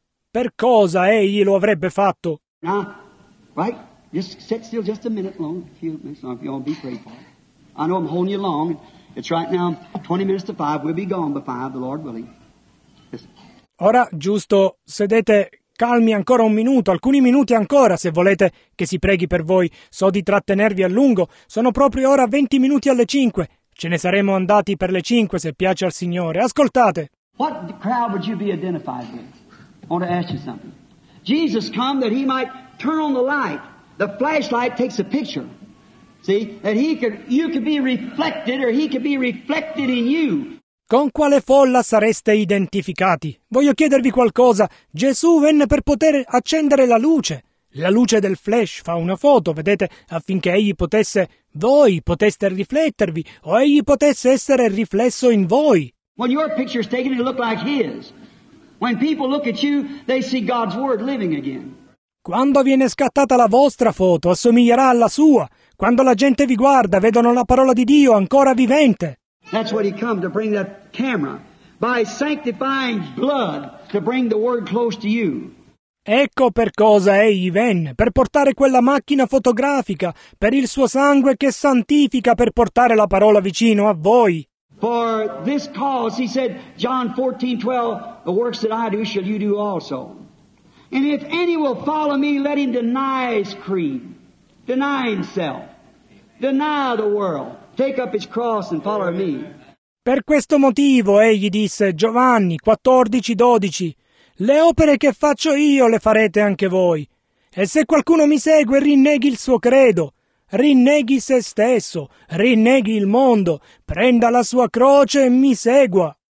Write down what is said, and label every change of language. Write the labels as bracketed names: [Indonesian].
[Italian] Per cosa egli lo avrebbe fatto? [English] Now, right? Just sit still just a minute long. A few minutes long, if you all be prayed for. I know I'm holding you long. It's right now 20 minutes to 5. We'll be gone by 5, the Lord willing. [Italian] Ora, giusto, sedete calmi ancora un minuto, alcuni minuti ancora, se volete che si preghi per voi. So di trattenervi a lungo, sono proprio ora 20 minuti alle 5. Ce ne saremo andati per le 5, se piace al Signore. Ascoltate! [English] What crowd would you be identified with? I want to ask you something. Jesus come that he might turn on the light. The flashlight takes a picture. See? That he could, you could be reflected or he could be reflected in you. [Italian] Con quale folla sareste identificati? Voglio chiedervi qualcosa. Gesù venne per poter accendere la luce. La luce del flash fa una foto, vedete, affinché egli potesse, voi poteste riflettervi, o egli potesse essere riflesso in voi. [English] When your picture is taken, it looks like his. When people look at you, they see God's word living again. [Italian] Quando viene scattata la vostra foto, assomiglierà alla sua. Quando la gente vi guarda, vedono la parola di Dio ancora vivente. [English] That's what he come to bring that camera, by sanctifying blood, to bring the word close to you. [Italian] Ecco per cosa egli venne, per portare quella macchina fotografica, per il suo sangue che santifica, per portare la parola vicino a voi. [English] For this cause, he said, John 14:12, the works that I do shall you do also. And if any will follow me, let him deny his creed, deny himself, deny the world. Take up his cross and follow me. [Italian] Per questo motivo, egli disse, Giovanni 14:12, le opere che faccio io le farete anche voi. E se qualcuno mi segue, rinneghi il suo credo, rinneghi se stesso, rinneghi il mondo, prenda la sua croce e mi segua.